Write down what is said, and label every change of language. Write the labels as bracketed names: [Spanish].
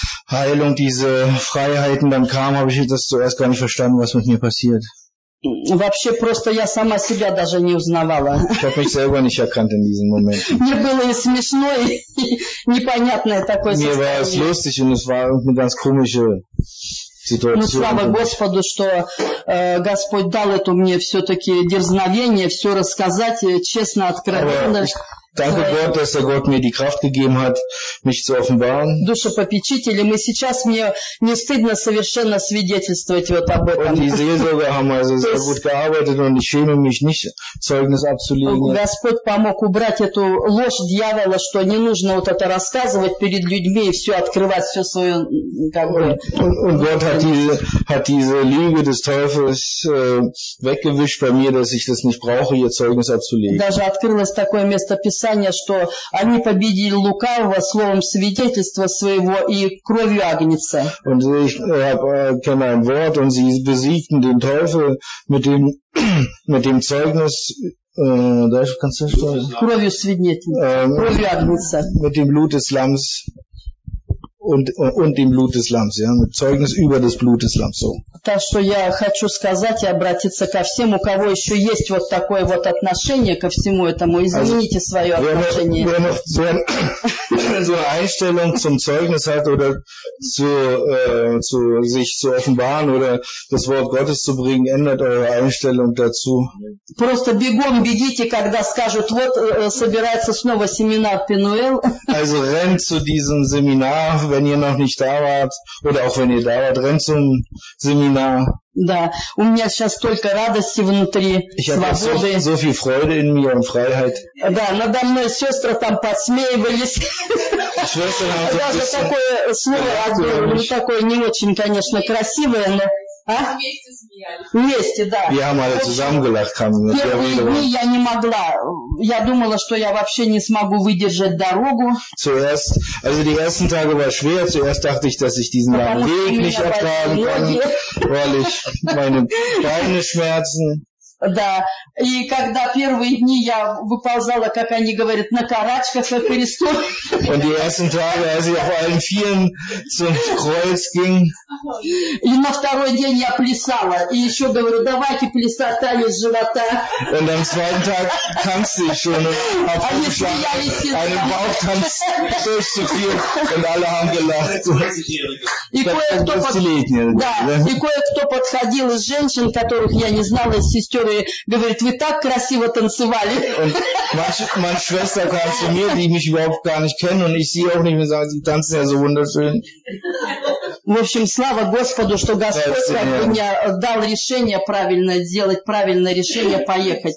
[German] Heilung, diese Freiheiten, dann kam, habe ich das zuerst gar nicht verstanden, was mit mir passiert. [Russian] Вообще просто я сама себя даже не узнавала. [German] Ich habe mich selber nicht erkannt in diesem Moment. [Russian] Мне было и смешно, и непонятное такое состояние. [German] Mir war es lustig und es war irgendwie ganz komische Situation. [Russian] Ну, слава Господу, что Господь дал это мне все-таки дерзновение, все рассказать честно, откровенно. [German] Danke Gott, dass der Gott mir die Kraft gegeben hat, mich zu offenbaren. [Russian] Душепопечители, мы сейчас мне не стыдно совершенно свидетельствовать вот об этом. [German] Und die Seelsorger haben also sehr gut gearbeitet und ich schäme mich nicht, Zeugnis abzulegen. [Russian] Господь помог убрать эту ложь дьявола, что не нужно вот это рассказывать перед людьми и все открывать, все свое, как бы. [German] Und Gott hat diese Lüge des Teufels weggewischt bei mir, dass ich das nicht brauche, ihr Zeugnis abzulegen. [Russian] Даже открылось такое место Писание, что они победили лукавого словом свидетельства своего и кровью Агнца. [German] Und ich kenne ein Wort und sie besiegten den Teufel mit dem Zeugnis. [Russian] Дальше в конце что? Кровью свидетельства. Кровью Агнца. [German] Mit dem Blut des Lamms und dem Blut des Lamms, ja, mit Zeugnis über das Blut des Lamms. So. [Russian] Так что я хочу сказать и обратиться ко всем, у кого еще есть вот такое вот отношение ко всему этому, измените свое отношение. [German] Wer noch so eine Einstellung zum Zeugnis hat oder zu sich zu offenbaren oder das Wort Gottes zu bringen, ändert eure Einstellung dazu. [Russian] Просто бегом бегите, когда скажут, вот собирается снова семинар Пенуэл. [German] Also rennt zu diesem Seminar, wenn ihr noch nicht da wart, oder auch wenn ihr da wart, rennt zum Seminar. [Russian] Да, у меня сейчас столько радости внутри, свободы. [German] So viel Freude in mir und Freiheit. [Russian] Да, надо мной сестры там подсмеивались. Даже такое слово, ну такое не очень, конечно, красивое, но... Вместе смеялись. Вместе, да. Первые дни я не могла. Я думала, что я вообще не смогу выдержать дорогу. [German] Zuerst, also die ersten Tage war schwer. Zuerst dachte ich, dass ich diesen langen Weg nicht ertragen kann, weil ich meine Beine schmerzen. [Russian] Да, и когда первые дни я выползала, как они говорят, на карачках со Христом. [German] Und die ersten Tage, als ich auf allen vieren zum Kreuz ging. [Russian] И на второй день я плясала, и еще говорю, давайте плясать танец живота. [German] Und am zweiten Tag tanzte ich schon und habe einen Bauchtanz durchzuführen und alle haben gelacht. [Russian] И кое-кто подходил из женщин, которых я не знала, из сестер. Говорит, вы так красиво танцевали. [German] Meine Schwester kam zu mir, die mich überhaupt gar nicht kennen und ich sie auch nicht mehr sagen, sie tanzen ja so wunderschön. [Russian] В общем, слава Господу, что Господь мне дал решение правильно сделать, правильное решение поехать.